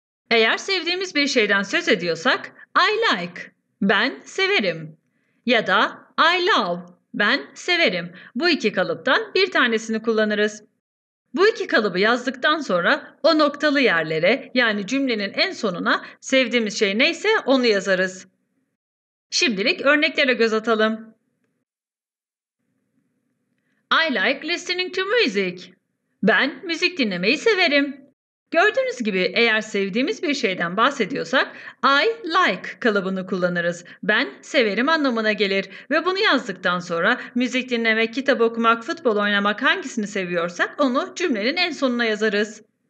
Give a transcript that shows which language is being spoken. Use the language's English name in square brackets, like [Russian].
[Turkish] Eğer sevdiğimiz bir şeyden söz ediyorsak [English] I like, [Turkish] ben severim ya da [English] I love, [Turkish] ben severim. Bu iki kalıptan bir tanesini kullanırız. Bu iki kalıbı yazdıktan sonra o noktalı yerlere, yani cümlenin en sonuna sevdiğimiz şey neyse onu yazarız. Şimdilik örneklere göz atalım. [English] I like listening to music. [Turkish] Ben müzik dinlemeyi severim. Gördüğünüz gibi eğer sevdiğimiz bir şeyden bahsediyorsak [English] I like [Turkish] kalıbını kullanırız. Ben severim anlamına gelir ve bunu yazdıktan sonra müzik dinlemek, kitap okumak, futbol oynamak hangisini seviyorsak onu cümlenin en sonuna yazarız.